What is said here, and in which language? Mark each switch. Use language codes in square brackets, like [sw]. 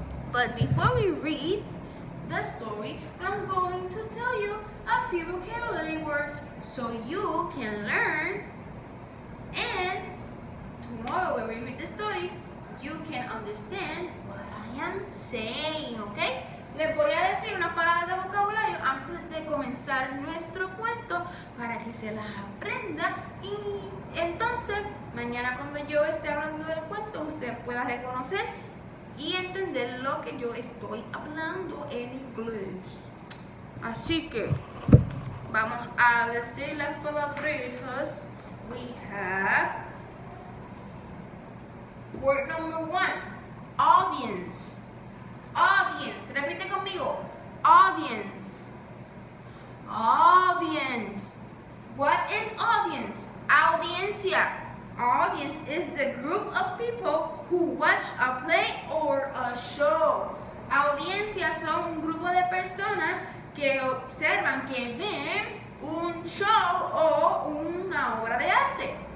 [en] But before we read the story, I'm going to tell you a few vocabulary words so you can learn. And tomorrow when we read the story, you can understand what I am saying, okay? [es] Les voy a decir unas palabras de vocabulario antes de comenzar nuestro cuento para que se las aprenda. Y entonces, mañana cuando yo esté hablando del cuento, usted pueda reconocer y entender lo que yo estoy hablando en inglés. Así que, vamos a decir las palabritas. [en] We have word number one, audience. Audience, [es] repite conmigo. [en] Audience. Audience. What is audience? [es] Audiencia. [en] Audience is the group of people who watch a play or a show. [es] Audiencia son un grupo de personas que observan, que ven un show o una obra de arte.